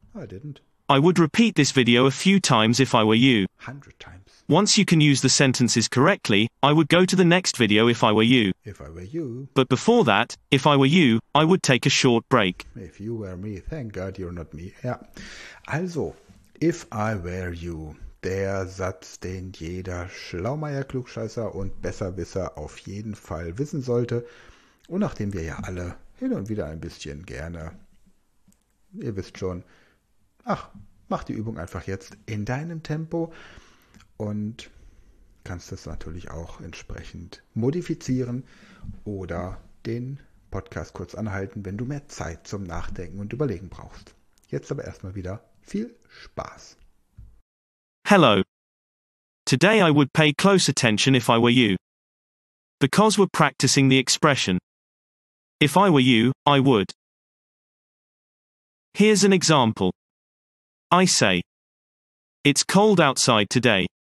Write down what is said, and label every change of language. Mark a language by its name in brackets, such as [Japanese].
[English] I didn't. I would repeat this video a few times if I were you. 100 times. Once you can use the sentences correctly, I would go to the next video if I were you. If I were you. But before that, if I were you, I would take a short break. If you were me, thank God you're not me. [German] Ja. Also, [English] if I were you, [German] der Satz, den jeder Schlaumeier, Klugscheißer und Besserwisser auf jeden Fall wissen sollte. Und nachdem wir ja alle hin und wieder ein bisschen gerne, ihr wisst schon, ach, mach die Übung einfach jetzt in deinem Tempo. Und kannst das natürlich auch entsprechend modifizieren oder den Podcast kurz anhalten, wenn du mehr Zeit zum Nachdenken und Überlegen brauchst. Jetzt aber erstmal wieder viel Spaß. [English] Hello. Today I would pay close attention if I were you. Because we're practicing the expression. If I were you, I would. Here's an example. I say. It's cold outside today.